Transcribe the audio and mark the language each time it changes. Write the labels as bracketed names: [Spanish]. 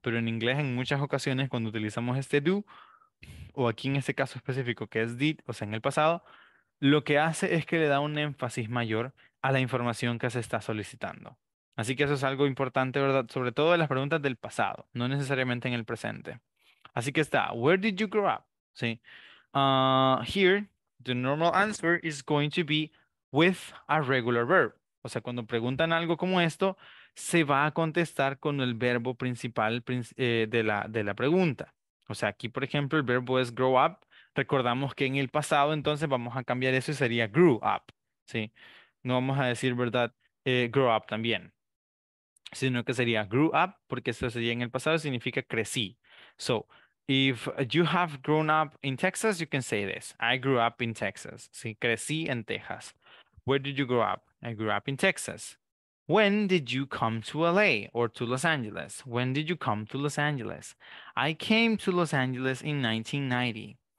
[Spanish] Pero en inglés, en muchas ocasiones, cuando utilizamos este do, o aquí en este caso específico que es did, o sea, en el pasado, lo que hace es que le da un énfasis mayor a la información que se está solicitando. Así que eso es algo importante, ¿verdad? Sobre todo en las preguntas del pasado, no necesariamente en el presente. Así que está, [English] where did you grow up? ¿Sí? Here, the normal answer is going to be with a regular verb. [Spanish] O sea, cuando preguntan algo como esto, se va a contestar con el verbo principal de la pregunta. O sea, aquí, por ejemplo, el verbo es grow up. Recordamos que en el pasado, entonces, vamos a cambiar eso y sería grew up. ¿Sí? No vamos a decir, ¿verdad?, grow up también, sino que sería grew up, porque eso sería en el pasado, significa crecí. [English] So, if you have grown up in Texas, you can say this. I grew up in Texas. ¿Sí? [Spanish] Crecí en Texas. [English] Where did you grow up? I grew up in Texas. When did you come to LA or to Los Angeles? When did you come to Los Angeles? I came to Los Angeles in 1990.